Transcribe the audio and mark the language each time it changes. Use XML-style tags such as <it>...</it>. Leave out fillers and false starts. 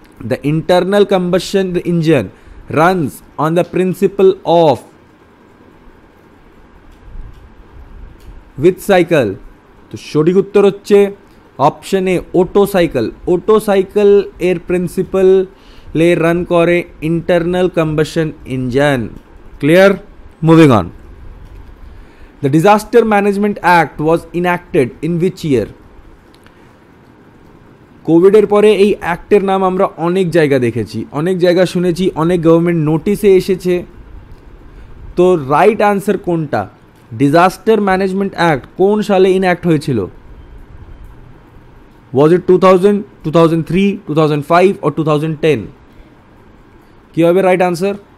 <en>The internal combustion engine runs on the principle of with cycle.</en> <bn>তো সঠিক উত্তর হচ্ছে option A, auto cycle. Auto cycle এর প্রিন্সিপালে run করে internal combustion engine.</bn> <en>Clear? Moving on, The Disaster Management Act was enacted in which year?</en> <bn>COVID এর পরে এই অ্যাক্টের নাম আমরা অনেক জায়গা দেখেছি, অনেক জায়গা শুনেছি, অনেক গভর্নমেন্ট নোটিশে এসেছে। তো রাইট অ্যান্সার কোনটা? ডিজাস্টার ম্যানেজমেন্ট অ্যাক্ট কোন সালে ইনঅ্যাক্ট হয়েছিল?</bn> <en>Was it 2000, 2003, 2005 or 2010?</en> <bn>কি হবে</bn> <en>Right answer?</en>